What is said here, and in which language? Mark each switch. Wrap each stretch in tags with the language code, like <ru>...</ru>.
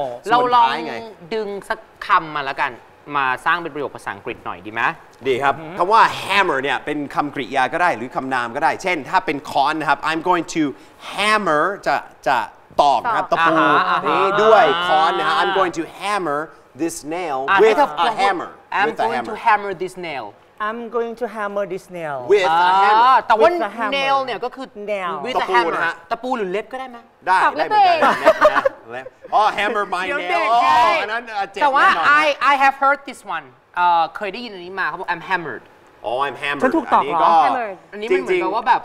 <th>เราลองดึงสักคำมาแล้วกันมาสร้างเป็นประโยคภาษาอังกฤษหน่อยดีไหม ดีครับคำว่า hammer เนี่ยเป็นคำกริยาก็ได้หรือคำนามก็ได้เช่นถ้าเป็นค้อนนะครับ</th> <en>I'm going to hammer</en> <th>จะตอกนะครับตะปูนี่ด้วยค้อนนะฮะ</th> <en>I'm going to hammer this nail with a hammer I'm going to hammer this nail I'm going to hammer this nail with a hammer.</en> <th>แต่ว่า nail เนี่ยก็คือ</th> <en>nail with a hammer</en> <th>ตะปูหรือเล็บก็ได้ไหม ได้ได้เหมือนกันเล็บอ๋อ</th> <en>hammer my nail</en> <th>อันนั้นเจ็บ แต่ว่า</th> <en>I have heard this one</en> <th>เคยได้ยินอันนี้มาเขาบอก</th> <en>I'm hammered Oh, I'm hammered.</en> <th>ฉันถูกตอกเหรอ</th> <en>I'm hammered.</en> <th>อันนี้มันเหมือนกับว่าแบบ</th>